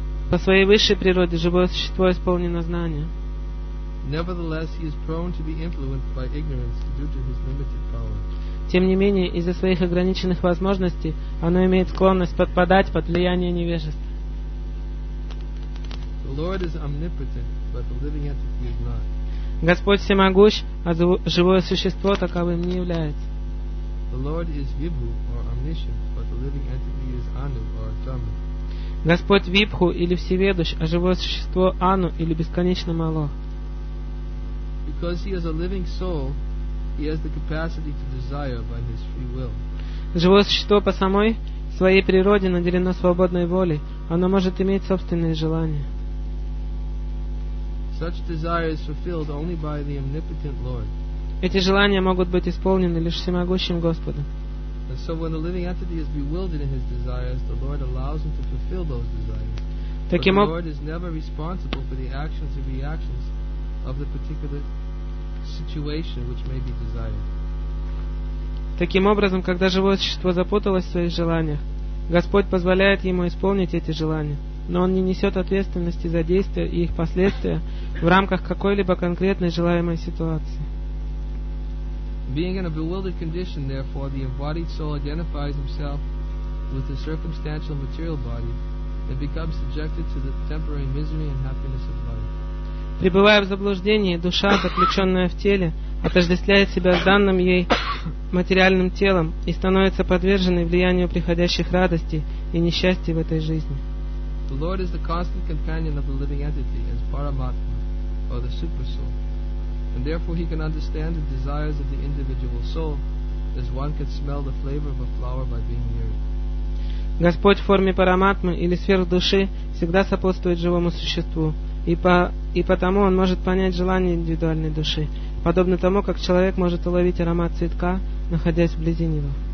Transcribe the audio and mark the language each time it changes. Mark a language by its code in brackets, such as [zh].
[ru] По своей высшей природе живое существо исполнено знания. [en] Nevertheless, he is prone to be influenced by ignorance due to his limited power. [ru] Тем не менее, из-за своих ограниченных возможностей, оно имеет склонность подпадать под влияние невежества. [en] The Lord is omnipotent, but the living entity is not. [ru] Господь всемогущ, а живое существо таковым не является. [en] The Lord is Vibhu, or omniscient, but the living entity is Anu, or Atama. [ru] Господь Вибху или Всеведущ, а живое существо Ану или бесконечно мало. [en] Because he is a living soul, He has the capacity to desire by his free will. [ru] Живое существо по самой своей природе наделено свободной волей. Оно может иметь собственные желания. [en] Such desire is fulfilled only by the omnipotent Lord. [ru] Эти желания могут быть исполнены лишь всемогущим Господом. [en] And so when the living entity is bewildered in his desires, the Lord allows him to fulfill those desires. [ru] Таким [en] But the Lord is never responsible for the actions and reactions of the particular situation which may be desired. [ru] Таким образом, когда живое существо запуталось в своих желаниях, Господь позволяет ему исполнить эти желания. но он не несет ответственности за действия и их последствия в рамках какой-либо конкретной желаемой ситуации. [en] Being in a bewildered condition, therefore, the embodied soul identifies himself with the circumstantial material body and becomes subjected to the temporary misery and happiness of life. [ru] Пребывая в заблуждении, душа, заключенная в теле, отождествляет себя с данным ей материальным телом и становится подверженной влиянию приходящих радостей и несчастий в этой жизни. [en] The Lord is the constant companion of the living entity as Paramatma, or the Supersoul, and therefore he can understand the desires of the individual soul as one can smell the flavor of a flower by being near it. [ru] Господь в форме Параматмы или сверхдуши всегда сопутствует живому существу, и потому он может понять желание индивидуальной души, подобно тому, как человек может уловить аромат цветка, находясь вблизи него.